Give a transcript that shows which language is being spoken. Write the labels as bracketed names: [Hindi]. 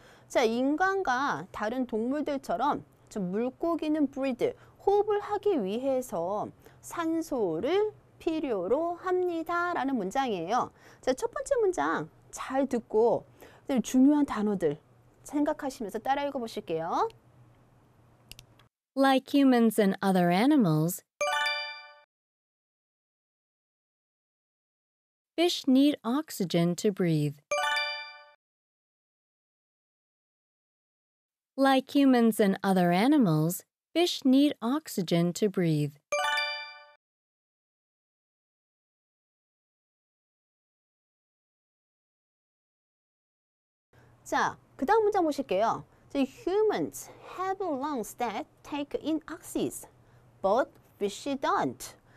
[Korean] 자, 인간과 다른 동물들처럼 물고기는 breathe, 호흡을 하기 위해서 산소를 필요로 합니다 라는 문장이에요. 자, 첫 번째 문장 잘 듣고 중요한 단어들 생각하시면서 따라 읽어 보실게요. [English] Like humans and other animals, fish need oxygen to breathe. Like humans and other animals, fish need oxygen to breathe. [Korean] 자, 그 다음 문장 보실게요. [English] The humans have lungs that take in oxygen, but fish don't.